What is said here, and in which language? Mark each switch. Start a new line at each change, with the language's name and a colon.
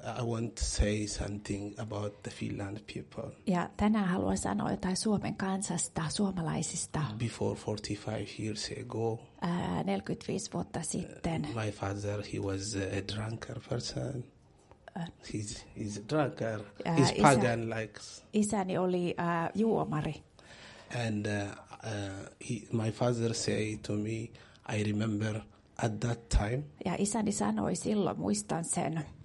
English: I want to say something about the Finland people.
Finnish: Ja tänään haluan sanoa jotain Suomen kansasta, suomalaisista.
English: Before 45 years ago.
Finnish: 45 vuotta sitten.
English: My father, he was a drunker person. He's a drunker. He's pagan likes.
Finnish: Isäni oli juomari.
English: And my father say to me, I remember. At that time.
Finnish: Ja isäni sanoi silloin, muistan sen.